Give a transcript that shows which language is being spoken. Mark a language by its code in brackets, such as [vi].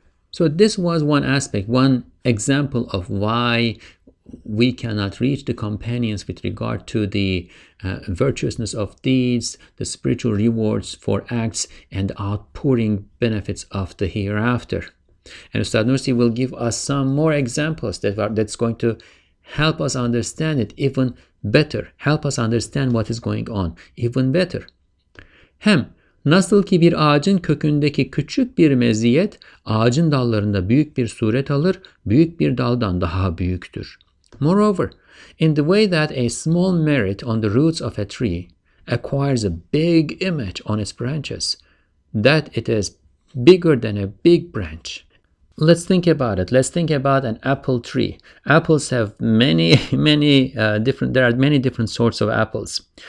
[en] So this was one aspect, one example of why we cannot reach the companions with regard to the virtuousness of deeds, the spiritual rewards for acts, and outpouring benefits of the hereafter. And Ustad Nursi will give us some more examples that's going to help us understand it even better, help us understand what is going on even better. [tr] Hem nasıl ki bir ağacın kökündeki küçük bir meziyet, ağacın dallarında büyük bir suret alır, büyük bir daldan daha büyüktür. [en] Moreover, in the way that a small merit on the roots of a tree acquires a big image on its branches, that it is bigger than a big branch. Let's think about it. Let's think about an apple tree. Apples have many different sorts of apples.